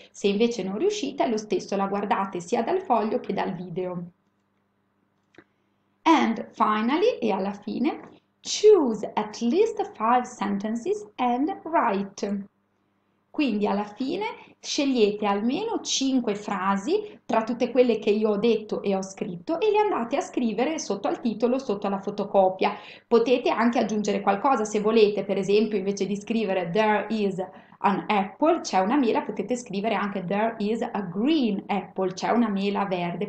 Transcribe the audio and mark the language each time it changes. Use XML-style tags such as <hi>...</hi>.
<it>Se invece non riuscite, è lo stesso, la guardate sia dal foglio che dal video.</it> <en>And finally,</en> <it>e alla fine,</it> <en>choose at least five sentences and write.</en> <it>Quindi alla fine scegliete almeno cinque frasi tra tutte quelle che io ho detto e ho scritto e le andate a scrivere sotto al titolo, sotto alla fotocopia. Potete anche aggiungere qualcosa se volete, per esempio, invece di scrivere</it> <en>There is an apple,</en> <it>c'è una mela, potete scrivere anche</it> <en>There is a green apple,</en> <it>c'è una mela verde.</it>